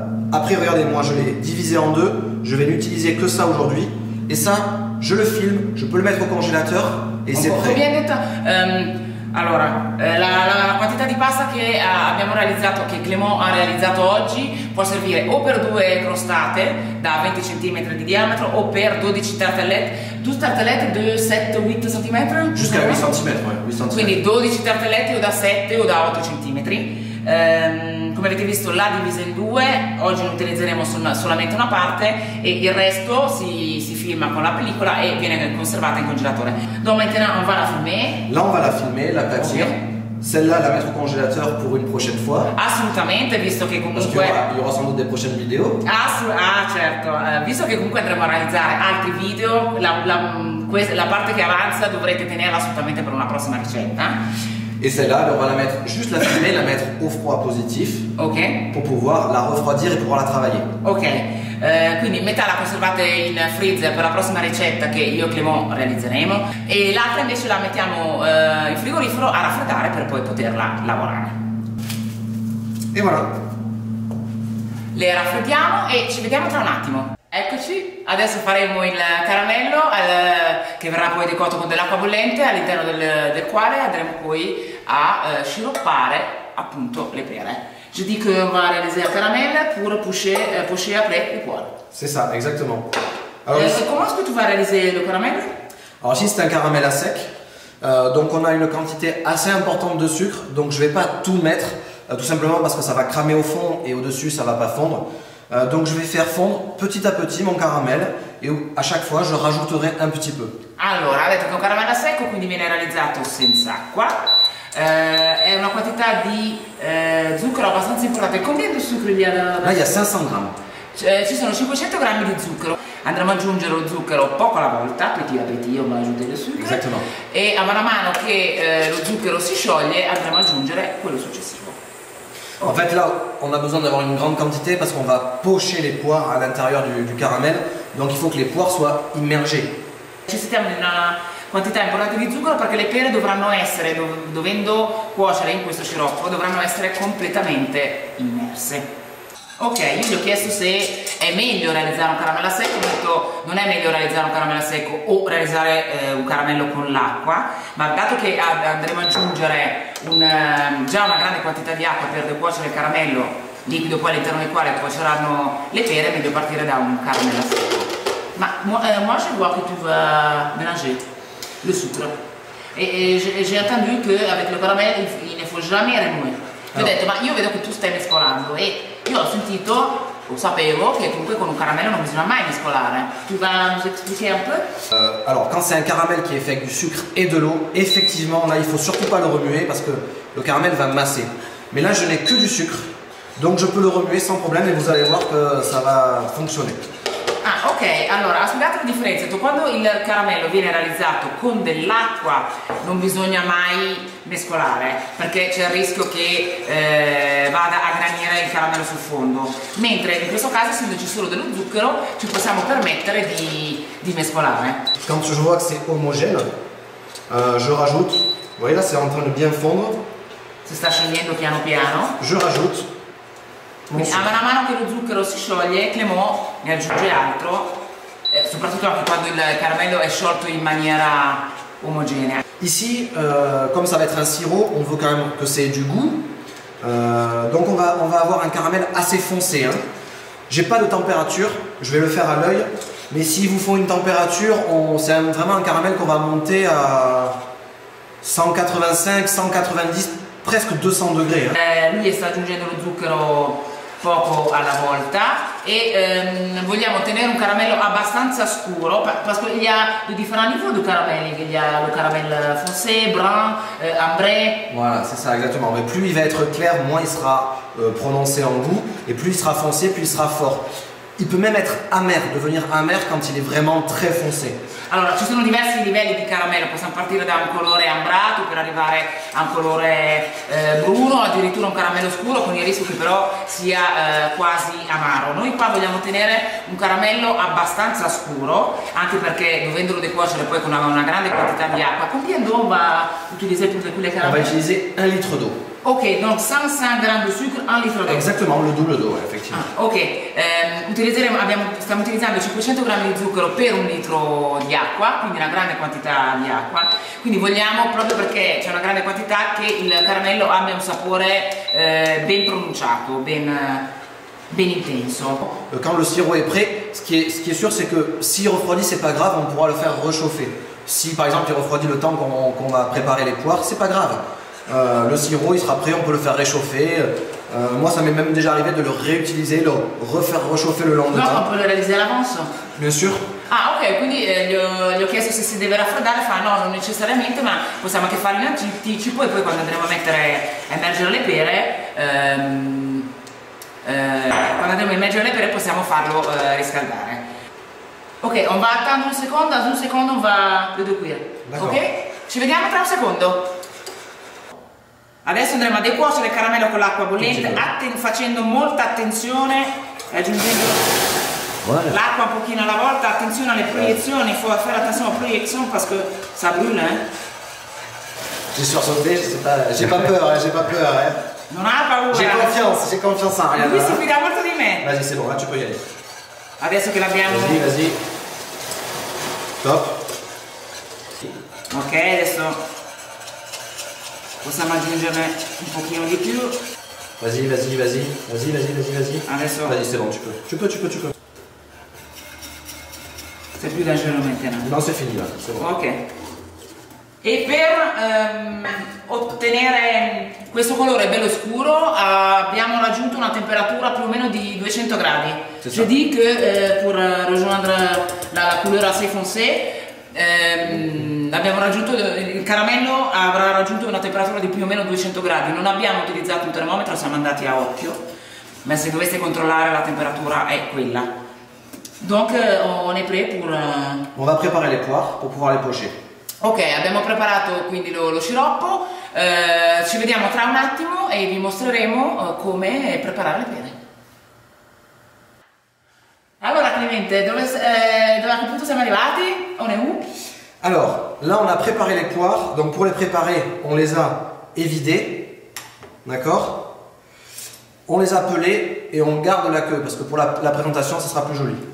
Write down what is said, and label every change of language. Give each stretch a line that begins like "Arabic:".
French: Après, regardez, moi je l'ai divisé en deux, je vais n'utiliser que ça aujourd'hui. Et ça, je le filme, je peux le mettre au congélateur et c'est prêt. Combien de temps
Italian: allora, la quantità di pasta che abbiamo realizzato, che Clément ha realizzato oggi, può servire o per due crostate da 20 cm di diametro o per 12 tartellette. Due tartellette di 7-8 cm? Giusto, 8 cm, eh. Quindi 12 tartellette o da 7 o da 8 cm. Come avete visto, la divisa in due, oggi ne utilizzeremo solamente una parte e il resto si filma con la pellicola e viene conservata in congelatore.
French: Donc maintenant on va la filmer. Là on va la filmer, la pâtir. Okay. Celle-là la mettre au congélateur pour une prochaine fois.
Italian: Assolutamente, visto che comunque...
French: Parce qu'il y aura sans doute des prochaines vidéos.
Italian: Certo, visto che comunque andremo a realizzare altri video, la parte che avanza dovrete tenerla assolutamente per una prossima ricetta.
French: Et celle-là, on va la mettre, juste la filmer, la mettre au froid positif. Ok. Pour pouvoir la refroidir et pouvoir la travailler. Ok.
Italian: Quindi metà la conservate in freezer per la prossima ricetta che io e Clément realizzeremo. E l'altra invece la mettiamo in frigorifero a raffreddare per poi poterla lavorare.
French: E voilà.
Italian: Le raffreddiamo e ci vediamo tra un attimo. Eccoci, adesso faremo il caramello che verrà poi decotto con dell'acqua bollente all'interno del quale andremo poi a sciroppare appunto le pere.
French: Je dis que on va réaliser un caramel pour pocher après le poil. C'est ça, exactement. Alors, comment est-ce que tu vas réaliser le caramel? Alors ici c'est un caramel à sec, donc on a une quantité assez importante de sucre, donc je vais pas tout mettre, tout simplement parce que ça va cramer au fond et au-dessus ça va pas fondre. Donc je vais faire fondre petit à petit mon caramel et à chaque fois je rajouterai un petit peu.
Italian: Allora, avete un caramel a secco, quindi viene realizzato senza acqua. È una quantità di zucchero abbastanza importante.
French: Combien
Italian: di zucchero gli ha da?
French: Là, il y a 500 grammi.
Italian: Ci sono 500 grammi di zucchero. Andremo ad aggiungere lo zucchero poco alla volta,
French: petit a petit,
Italian: io mi aggiungo il zucchero. Esattamente. E a mano che lo zucchero si scioglie, andremo ad aggiungere quello successivo.
French: En fait là, on a besoin d'avoir une grande quantité parce qu'on va pocher les poires à l'intérieur du caramel. Donc il faut que les poires soient immergées.
Italian: Necessitiamo di una quantità importante di zucchero perché le pere dovranno essere, dovendo cuocere in questo sciroppo, dovranno essere completamente immerse. Ok, io gli ho chiesto se è meglio realizzare un caramello a secco, ho detto non è meglio realizzare un caramello a secco o realizzare un caramello con l'acqua, ma dato che andremo ad aggiungere già una grande quantità di acqua per decuocere il caramello, liquido poi all'interno del quale cuoceranno le pere, è meglio partire da un caramello a secco.
French: Ma moi je vois que tu vas mélanger le sucre. E j'ai entendu que avec le caramel il ne faut jamais remuer.
Italian: Ti ho detto, ma io vedo che tu stai mescolando e io ho sentito, o sapevo, che comunque con un caramello non bisogna mai mescolare.
French: Tu vas nous expliquer un peu? Alors, quand c'est un caramel qui est fait avec du sucre et de l'eau, effectivement, là, il faut surtout pas le remuer parce que le caramel va masser. Mais là, je n'ai que du sucre, donc je peux le remuer sans problème et vous allez voir que ça va fonctionner.
Italian: Ah, ok, allora, spiegate la differenza. Quando il caramello viene realizzato con dell'acqua, non bisogna mai mescolare perché c'è il rischio che vada a granire il caramello sul fondo, mentre in questo caso essendoci solo dello zucchero ci possiamo permettere di mescolare.
French: Quand je vois que c'est homogène, je rajoute, voyez là c'est en train de bien fondre,
Italian: si sta scendendo piano piano,
French: je rajoute.
Italian: A mano a mano che lo zucchero si scioglie, Clément ne aggiunge altro, soprattutto anche quando il caramello è sciolto in maniera omogenea.
French: Ici, comme ça va être un sirop, on veut quand même que c'est du goût. Donc on va avoir un caramel assez foncé. Hein. J'ai pas de température, je vais le faire à l'œil. Mais s'ils vous font une température, c'est vraiment un caramel qu'on va monter à 185, 190, presque 200 degrés.
Italian: Lui sta aggiungendo lo zucchero poco alla volta e vogliamo tenere un caramello abbastanza scuro
French: parce qu'il y a de différents niveaux de caramelli, il y a le caramel foncé, brun, ambré. Voilà, c'est ça exactement, mais plus il va être clair, moins il sera prononcé en goût et plus il sera foncé, plus il sera fort. Il peut même être amer, devenir amer quand il est vraiment très foncé.
Italian: Allora, ci sono diversi livelli di caramello, possiamo partire da un colore ambrato per arrivare a un colore bruno, addirittura un caramello scuro con il rischio che però sia quasi amaro. Noi qua vogliamo ottenere un caramello abbastanza scuro, anche perché dovendolo decuocere poi con una grande quantità di acqua. Con quale eau va utilizzare tutte quelle caramelle?
French: On va utiliser 1 litro d'eau. Ok, donc 105
Italian: grammi di
French: sucre, 1 litro d'eau.
Italian: Esattamente,
French: le double d'eau,
Italian: effettivamente. Ah, ok, stiamo utilizzando 500 grammi di zucchero per 1 litro di acqua, quindi una grande quantità di acqua. Quindi vogliamo, proprio perché c'è una grande quantità, che il caramello abbia un sapore ben pronunciato, ben intenso.
French: Quand le sirop est prêt, ce qui est sûr, c'est que s'il refroidit, c'est pas grave, on pourra le faire réchauffer. Si
Italian: par esempio
French: il refroidit le temps qu'on va préparer les poires, c'est pas grave. Le sirop il sera prêt, on peut le faire réchauffer. Moi ça m'est même déjà arrivé de le réutiliser, le refaire réchauffer le lendemain. Non, on peut le réaliser à l'avance. Bien sûr.
Italian: Ah ok, quindi gli ho chiesto se si deve raffreddare, fa no, non necessariamente, ma possiamo anche farlo in anticipo e poi quando andremo a immergere le pere, quando andremo a immergere le pere possiamo farlo riscaldare.
French: Ok, on va attendre un secondo,
Italian: ad un secondo
French: va le due qui. Ok?
Italian: Ci vediamo tra un secondo. Adesso andremo a decuocere il caramello con l'acqua bollente, facendo molta attenzione e aggiungendo l'acqua un pochino alla volta. Attenzione alle proiezioni, fare attenzione alle proiezioni perché
French: ça brûle. J'ai sursauté, j'ai pas peur,
Italian: Non ha paura.
French: J'ai confiance en rien.
Italian: Lui si fida molto di me.
French: Vas-y, c'est bon, là tu peux y aller.
Italian: Adesso che l'abbiamo.
French: Vas-y. Top.
Italian: Ok, adesso possiamo aggiungere un pochino di più.
French: Vas-y.
Italian: Adesso.
French: Vas-y, c'est bon, tu peux. C'est plus dangereux maintenant. Non, c'est fini là, c'est bon. Ok.
Italian: E per ottenere questo colore bello scuro abbiamo raggiunto una temperatura più o meno di 200 gradi.
French: Je dis que pour rejoindre la couleur assez foncée,
Italian: abbiamo raggiunto, il caramello avrà raggiunto una temperatura di più o meno 200 gradi. Non abbiamo utilizzato un termometro, siamo andati a occhio, ma se doveste controllare la temperatura è quella.
French: Donc on est prêt pour... On va préparer les poires pour pouvoir les pocher.
Italian: Ok, abbiamo preparato quindi lo sciroppo, ci vediamo tra un attimo e vi mostreremo come preparare le pere. Allora Clemente, dove a che punto siamo arrivati?
French: On est où?
Italian: Allora,
French: là on a préparé les poires, donc pour les préparer on les a évidées, d'accord? On les a pelées et on garde la queue, parce que pour la présentation ce sera plus joli.